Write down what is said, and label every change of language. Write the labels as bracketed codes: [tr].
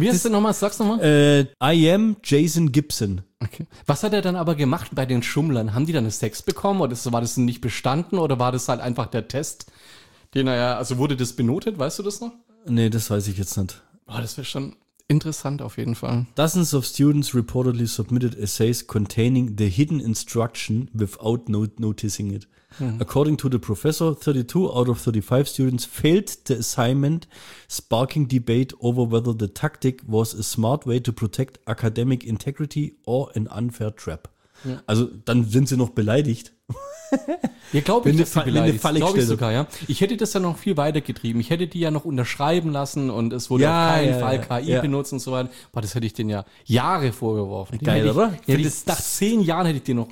[de] wie heißt der nochmal, sag's nochmal? [en] I am Jason Gibson. Okay. [de] Was hat er dann aber gemacht bei den Schummlern? Haben die dann einen Sex bekommen oder war das nicht bestanden oder war das halt einfach der Test, den er ja, also wurde das benotet, weißt du das noch? Nee, das weiß ich jetzt nicht. Boah, das wäre schon, Interessant auf jeden Fall. [en] Dozens of students reportedly submitted essays containing the hidden instruction without noticing it. Mhm. According to the professor, 32 out of 35 students failed the assignment, sparking debate over whether the tactic was a smart way to protect academic integrity or an unfair trap. [de] Ja. Also dann sind sie noch beleidigt. Ja, glaube ich, dass sie beleidigt sind. Glaube ich sogar, ja. Ich hätte das ja noch viel weiter getrieben. Ich hätte die ja noch unterschreiben lassen und es wurde auf keinen Fall KI benutzt und so weiter. Boah, das hätte ich denen ja Jahre vorgeworfen. Den geil, oder? Nach 10 Jahren hätte ich denen noch